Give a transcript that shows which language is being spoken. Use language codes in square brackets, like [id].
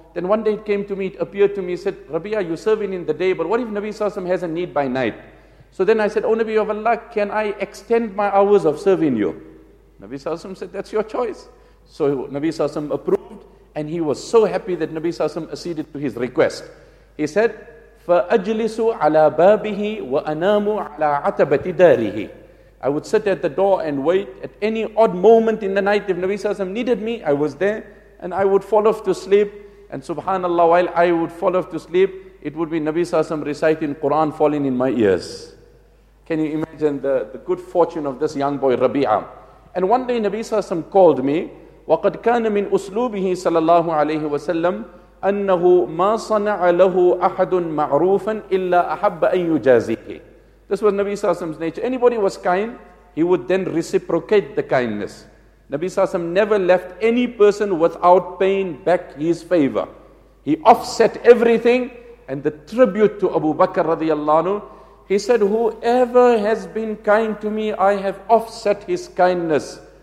[en] Then one day it came to me, it appeared to me, he said, Rabia, you're serving in the day, but what if Nabi sallallahu alayhi wasallam has a need by night? So then I said, oh Nabi of Allah, can I extend my hours of serving you? Nabi sallallahu alayhi said, that's your choice. So Nabi sallallahu alayhi approved and he was so happy that Nabi sallallahu alayhi acceded to his request. [ar] He said, فَأَجْلِسُ عَلَىٰ بَابِهِ وَأَنَامُ عَلَىٰ عَتَبَةِ دَارِهِ. [en] I would sit at the door and wait. At any odd moment in the night, if Nabi Sallallahu Alaihi Wasallam needed me, I was there. And I would fall off to sleep. And subhanAllah, while I would fall off to sleep, it would be Nabi Sallallahu Alaihi Wasallam reciting Quran falling in my ears. Can you imagine the good fortune of this young boy, Rabi'a? And one day Nabi Sallallahu Alaihi Wasallam called me. [ar] وَقَدْ كَانَ مِنْ أُسْلُوبِهِ صَلَى اللَّهُ عَلَيْهِ وَسَلَّمُ أنه ما صنع له أحد معروفا إلا أحب أن يجازيه. [en] This was Nabi Sallallahu Alaihi Wasallam's nature. Anybody was kind, he would then reciprocate the kindness. Nabi Sallallahu Alaihi Wasallam never left any person without paying back his favor. He offset everything, and the tribute to Abu Bakr radiallahu anhu, he said, whoever has been kind to me, I have offset his kindness.